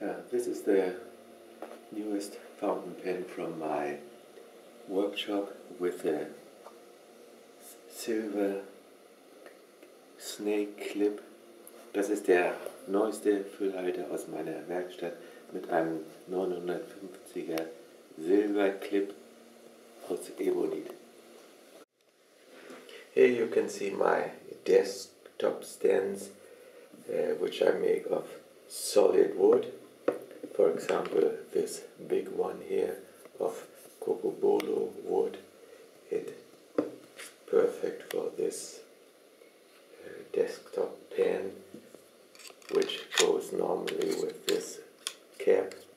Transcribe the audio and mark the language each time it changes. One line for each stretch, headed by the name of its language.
English: This is the newest fountain pen from my workshop with a silver snake clip.
German: Das ist der neueste Füllhalter aus meiner Werkstatt mit einem 950er Silber Clip aus Ebonit.
English: Here you can see my desktop stands, which I make of solid wood. For example, this big one here of cocobolo wood. It's perfect for this desktop pen, which goes normally with this cap.